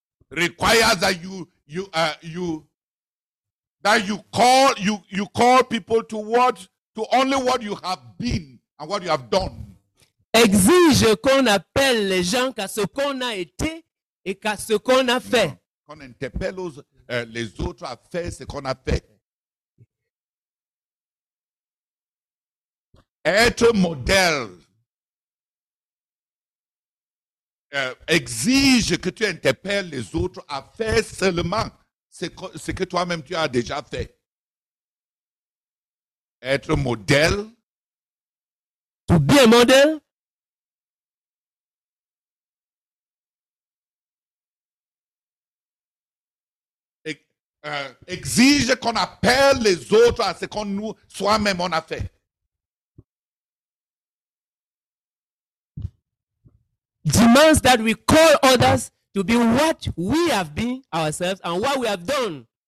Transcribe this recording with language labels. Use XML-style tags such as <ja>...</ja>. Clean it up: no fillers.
<en>Requires that you call people to what, to only what you have been and what you have done.</en> <fr>Exige qu'on appelle les gens qu'à ce qu'on a été et qu'à ce qu'on a fait. Non, qu'on interpelle les autres à faire ce qu'on a fait. Être modèle exige que tu interpelles les autres à faire seulement ce que toi-même tu as déjà fait. Être modèle.</fr> <en>To be a model.</en> <fr>Exige qu'on appelle les autres à ce qu'on nous soi-même on a fait.</fr> <en>Demands that we call others to be what we have been ourselves and what we have done.</en>